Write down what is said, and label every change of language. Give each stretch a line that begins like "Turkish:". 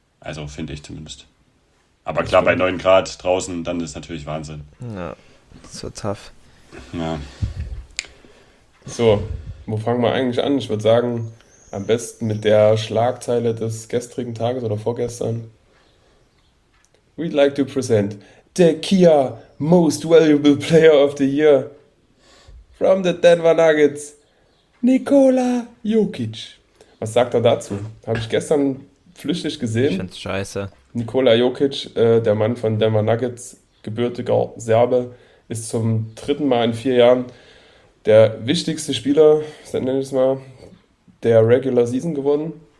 German: Also finde ich zumindest. Aber Das klar, bei stimmt. 9 Grad draußen, dann ist natürlich Wahnsinn. Ja, so tough. Ja. So, wo fangen wir eigentlich an? Ich würde sagen, am besten mit der Schlagzeile des gestrigen Tages oder vorgestern.
English: We'd like to present the Kia Most Valuable Player of the Year from the Denver Nuggets, Nikola Jokic.
German: Was sagt er dazu? Habe ich gestern flüchtig Ich find's gesehen. scheiße. Nikola Jokic, der Mann von Denver Nuggets, gebürtiger Serbe, ist zum dritten Mal in 4 Jahren der wichtigste Spieler, so nenne ich es mal, der Regular Season geworden.